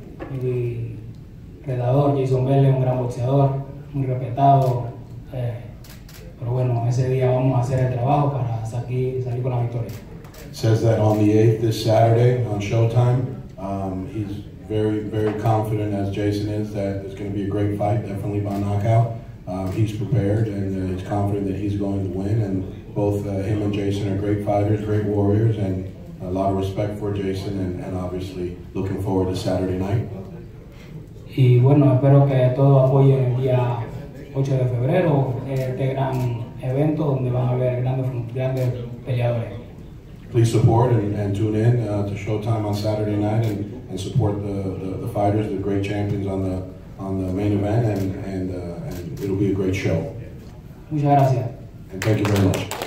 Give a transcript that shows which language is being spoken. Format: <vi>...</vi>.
<es>Mi retador Jayson Vélez, un gran boxeador, muy respetado. Pero bueno, ese día vamos a hacer el trabajo para salir con la victoria.</es> <en>Says that on the 8th, this Saturday, on Showtime, he's very, very confident, as Jayson is, that it's going to be a great fight, definitely by knockout. He's prepared, and he's confident that he's going to win, and both him and Jayson are great fighters, great warriors, and a lot of respect for Jayson, and obviously looking forward to Saturday night.</en> <es>Y bueno, espero que todos apoyen el día 8 de febrero, este gran evento donde van a ver grandes peleadores.</es> <en>Please support and tune in to Showtime on Saturday night and support the fighters, the great champions on the main event, and it'll be a great show.</en> <es>Muchas gracias.</es> <en>And thank you very much.</en>